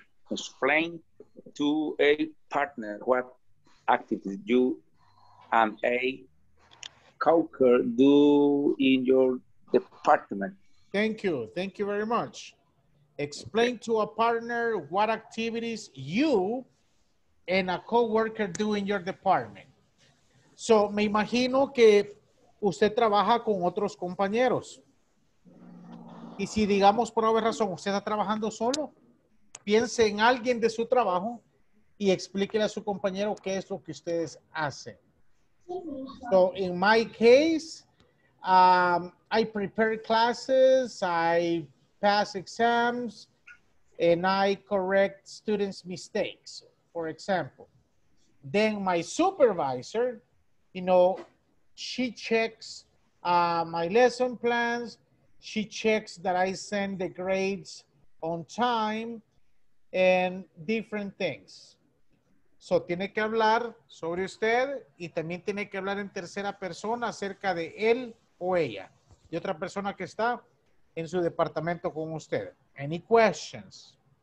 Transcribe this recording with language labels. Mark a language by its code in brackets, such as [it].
[en] Explain to a partner what activities you and a coworker do in your department. Thank you. Thank you very much. Explain to a partner what activities you and a coworker do in your department. [es] So, me imagino que usted trabaja con otros compañeros. Y si digamos por alguna razón usted está trabajando solo, piense en alguien de su trabajo y explíquele a su compañero qué es lo que ustedes hacen. [en] So, in my case, I prepare classes, I pass exams, and I correct students' mistakes, for example. Then my supervisor, you know, she checks my lesson plans, she checks that I send the grades on time, and different things. [es] So, tiene que hablar sobre usted y también tiene que hablar en tercera persona acerca de él o ella y otra persona que está en su departamento con usted. [en] Any questions?